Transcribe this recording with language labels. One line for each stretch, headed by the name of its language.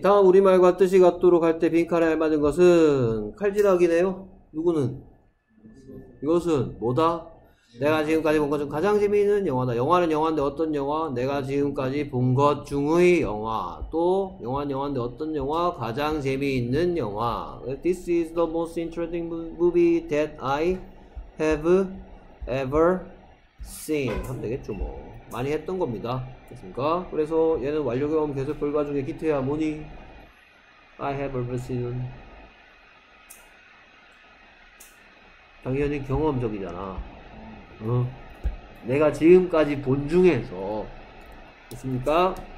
Korean: 다음 우리말과 뜻이 같도록 할때 빈칸에 알맞은 것은 칼질하기네요. 누구는? 이것은 뭐다? 내가 지금까지 본것중 가장 재미있는 영화다. 영화는 영화인데 어떤 영화? 내가 지금까지 본것 중의 영화. 또 영화는 영화인데 어떤 영화? 가장 재미있는 영화.
English: This is the most interesting movie that I have ever seen.
Korean: 하면 되겠죠, 뭐. 많이 했던 겁니다. 됐습니까? 그래서 얘는 완료 경험 계속 결과 중에 기트야 뭐니?
English: I have ever seen.
Korean: 당연히 경험적이잖아. 내가 지금까지 본 중에서 됐습니까?